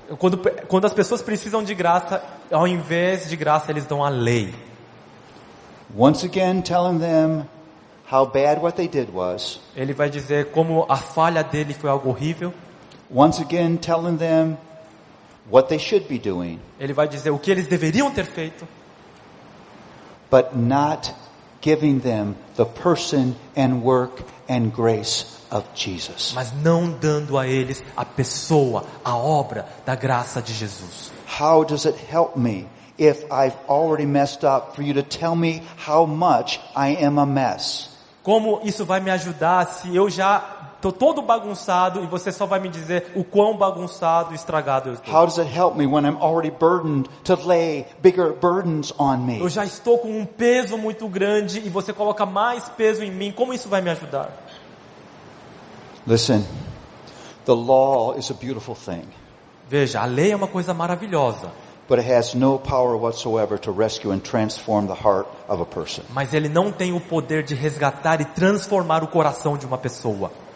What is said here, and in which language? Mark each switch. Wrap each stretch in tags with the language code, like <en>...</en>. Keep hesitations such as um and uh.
<pt>Quando, quando as pessoas precisam de graça, ao invés de graça, eles dão a lei.</pt> <en>Once again, telling them how bad what they did was.</en> <pt>Ele vai dizer como a falha dele foi algo horrível.</pt> <en>Once again, telling them what they should be doing.</en> <pt>Ele vai dizer o que eles deveriam ter feito.</pt> <en>But not giving them the person and work and grace of Jesus.</en> <pt>Mas não dando a eles a pessoa, a obra da graça de Jesus.</pt> <en>How does it help me if I've already messed up for you to tell me how much I am a mess?</en> <pt>Como isso vai me ajudar se eu já Estou todo bagunçado e você só vai me dizer o quão bagunçado, e estragado eu estou.</pt> <en>How does it help me when I'm already burdened to lay bigger burdens on me?</en> <pt>Eu já estou com um peso muito grande e você coloca mais peso em mim. Como isso vai me ajudar?</pt> <en>Listen. The law is a beautiful thing.</en> <pt>Veja, a lei é uma coisa maravilhosa.</pt> <en>But it has no power whatsoever to rescue and transform the heart of a person.</en> <pt>Mas ele não tem o poder de resgatar e transformar o coração de uma pessoa.</pt>